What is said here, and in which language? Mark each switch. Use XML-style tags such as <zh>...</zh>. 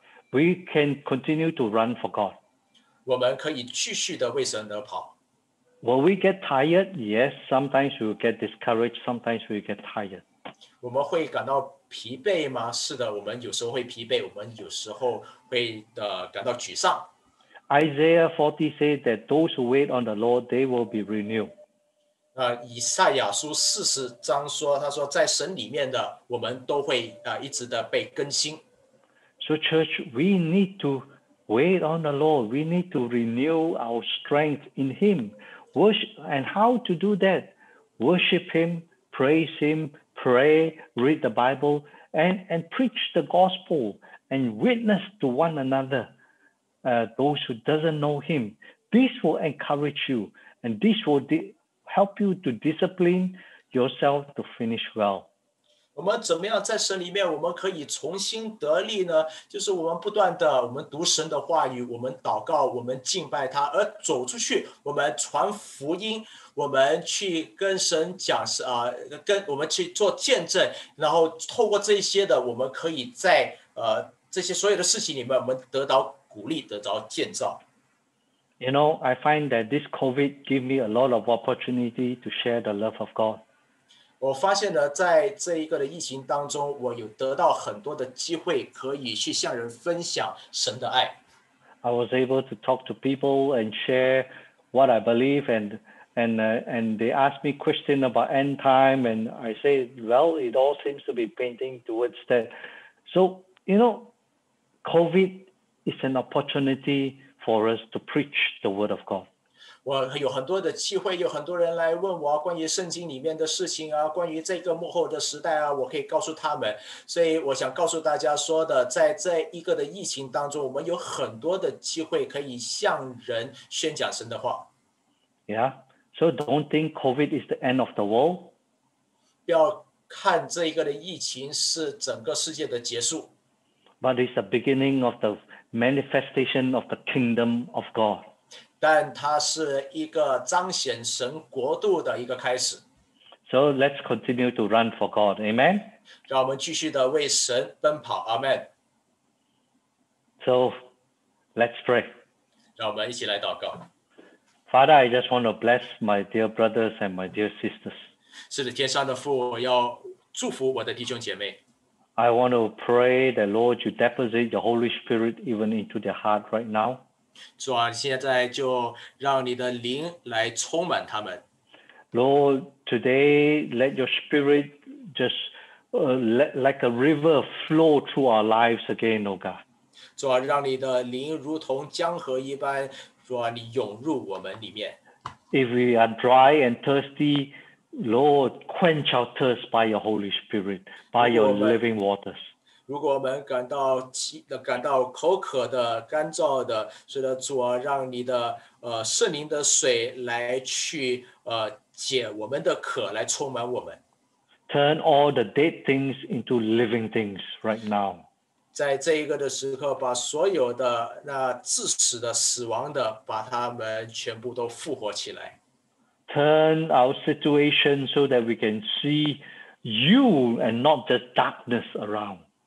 <en>We can continue to run for God.</en> <zh>我们可以继续的为神而跑。</zh> <en>Will we get tired? Yes, sometimes we'll get discouraged, sometimes we'll get tired.</en> <zh>我们会感到疲惫吗？是的，我们有时候会疲惫，我们有时候会感到沮丧。</zh> <en>Isaiah 40 says that those who wait on the Lord, they will be renewed.</en> <zh>以赛亚书40章说，他说在神里面的，我们都会一直的被更新。</zh> <en>So church, we need to wait on the Lord. We need to renew our strength in Him. Worship, and how to do that? Worship Him, praise Him, pray, read the Bible, and preach the gospel, and witness to one another, those who doesn't know Him. This will encourage you, and this will help you to discipline yourself to finish well.</en> <zh>我们怎么样在神里面我们可以重新得力呢？就是我们不断的我们读神的话语，我们祷告，我们敬拜他，而走出去我们传福音，我们去跟神讲跟我们去做见证，然后透过这些的我们可以在这些所有的事情里面我们得到鼓励，得到建造。</zh> <en>You know, I find that this COVID gave me a lot of opportunity to share the love of God.</en> <zh>我发现呢，在这一个的疫情当中，我有得到很多的机会可以去向人分享神的爱。</zh> <en>I was able to talk to people and share what I believe, and they asked me questions about end time, and I say, well, it all seems to be painting towards that. So, you know, COVID is an opportunity for us to preach the word of God.</en> <zh>我有很多的机会，有很多人来问我关于圣经里面的事情啊，关于这个幕后的时代啊，我可以告诉他们。所以我想告诉大家说的，在这一个的疫情当中，我们有很多的机会可以向人宣讲神的话。</zh> <en>Yeah, so don't think COVID is the end of the world.</en> <zh>不要看这一个的疫情是整个世界的结束。</zh> <en>But it's the beginning of the manifestation of the kingdom of God.</en> <zh>但它是一个彰显神国度的一个开始。</zh> <en>So let's continue to run for God. Amen.</en> <zh>让我们继续的为神奔跑。</zh> <en>Amen. So let's pray.</en> <zh>让我们一起来祷告。</zh> <en>Father, I just want to bless my dear brothers and my dear sisters.</en> <zh>是的，天上的父，我要祝福我的弟兄姐妹。</zh> <en>I want to pray that Lord, you deposit your Holy Spirit even into their heart right now.</en> <zh>主啊，现在就让你的灵来充满他们。</zh> <en>Lord, today let your spirit just like a river flow through our lives again, O God.</en> <zh>主啊，让你的灵如同江河一般，主啊，你涌入我们里面。</zh> <en>If we are dry and thirsty, Lord, quench our thirst by your Holy Spirit, by your living waters.</en> <zh>如果我们感到饥的、感到口渴的，干燥的，是的，主啊，让你的圣灵的水来去解我们的渴，来充满我们。</zh> <en>Turn all the dead things into living things right now.</en> <zh>在这一个的时刻，把所有的那致死的、死亡的，把他们全部都复活起来。</zh> <en>Turn our situation so that we can see you and not just darkness around.</en>